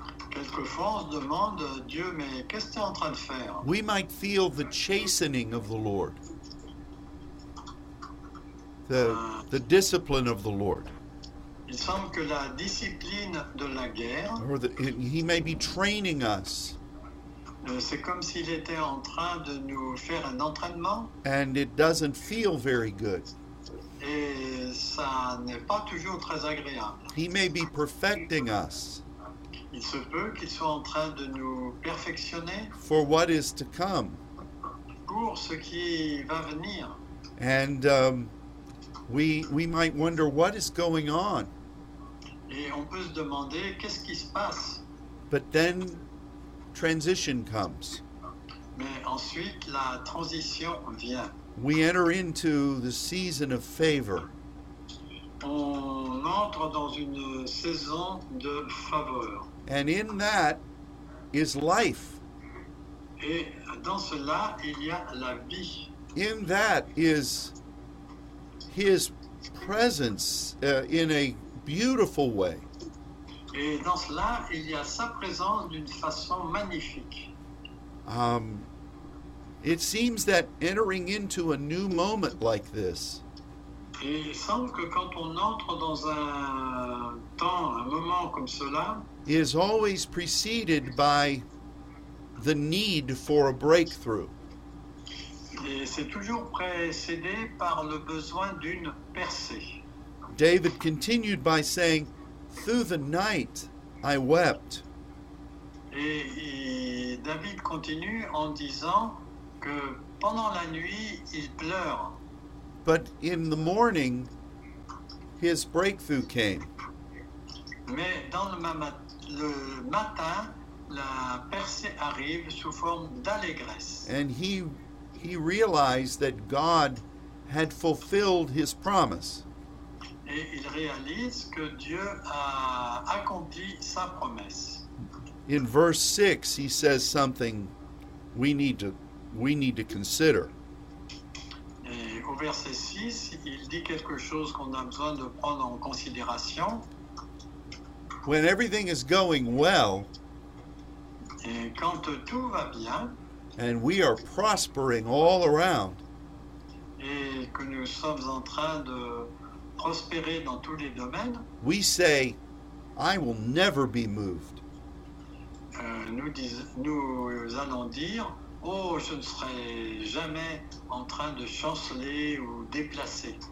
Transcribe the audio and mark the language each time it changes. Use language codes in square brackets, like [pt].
[fr] Quelquefois on se demande, Dieu, mais qu'est-ce que tu es en train de faire? [en] We might feel the chastening of the Lord. The discipline of the Lord. [fr] Il semble que la discipline de la guerre, [en] or he may be training us. [fr] C'est comme s'il était en train de nous faire un entraînement. [en] And it doesn't feel very good. [fr] Et ça n'est pas toujours très agréable. [en] He may be perfecting us. [fr] Il se peut qu'il soit en train de nous perfectionner. [en] For what is to come. [fr] Pour ce qui va venir. [en] And we might wonder what is going on. [fr] Et on peut se demander qu'est-ce qui se passe. [en] But then transition comes. [fr] Mais ensuite la transition vient. [en] We enter into the season of favor. [fr] On entre dans une saison de faveur. [en] And in that is life. [fr] Et dans cela, il y a la vie. [en] In that is his presence in a beautiful way. [fr] Et dans cela, il y a sa présence d'une façon magnifique. [en] It seems that entering into a new moment like this, [fr] et il semble que quand on entre dans un temps, un moment comme cela, [en] is always preceded by the need for a breakthrough. [fr] Et c'est toujours précédé par le besoin d'une percée. [en] David continued by saying, "Through the night I wept." [fr] Et David continue en disant que pendant la nuit, il pleure. [en] But in the morning, his breakthrough came. [fr] Mais dans le matin, la percée arrive sous forme d'allégresse. [en] And he realized that God had fulfilled his promise. [fr] Et il réalise que Dieu a accompli sa promesse. [en] In verse 6, he says something we need to consider. [fr] Et au verset 6, il dit quelque chose qu'on a besoin de prendre en considération. [en] When everything is going well, [fr] et quand tout va bien, [en] and we are prospering all around, [fr] et que nous sommes en train de prospérer dans tous les domaines, [en] we say, I will never be moved. [fr] Nous allons dire, oh, je ne serai jamais en train de chanceler ou déplacer.